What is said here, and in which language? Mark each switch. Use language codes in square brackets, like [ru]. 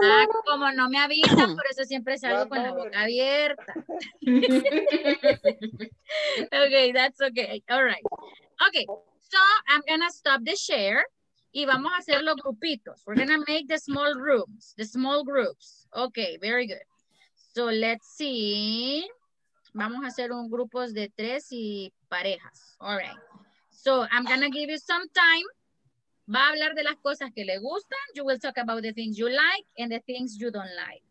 [es] Ah, como no me avisan, por eso siempre salgo con la boca abierta. [en] Okay, that's okay. All right. Okay, so I'm going to stop the share. [es] Y vamos a hacer los grupitos. [en] We're going to make the small rooms, the small groups. Okay, very good. So let's see. [es] Vamos a hacer un grupo de tres y parejas. [en] All right. So I'm going to give you some time. [es] Va a hablar de las cosas que le gustan. [en] You will talk about the things you like and the things you don't like.